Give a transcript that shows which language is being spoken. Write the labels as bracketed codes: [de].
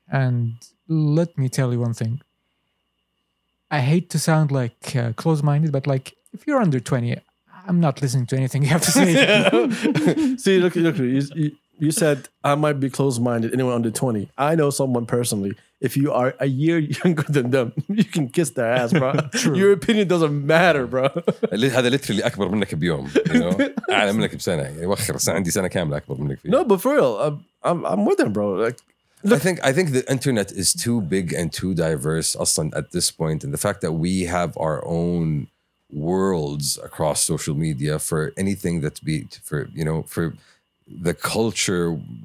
[en] And let me tell you one thing. I hate to sound like close-minded, but like if you're under 20, I'm not listening to anything you have to say. See, look, you said I might be close-minded, anyone under 20. I know someone personally. If you are a year younger than them, you can kiss their ass, bro. True. Your opinion doesn't matter, bro. [ar] هذا literally أكبر منك بيوم. أعلى منك بسنة. وخر عندي سنة كاملة أكبر منك [en] فيه. No, but for real, I'm with them, bro. Like, look, I think the internet is too big and too diverse أصلاً at this point. And the fact that we have our own worlds across social media for anything that's for the culture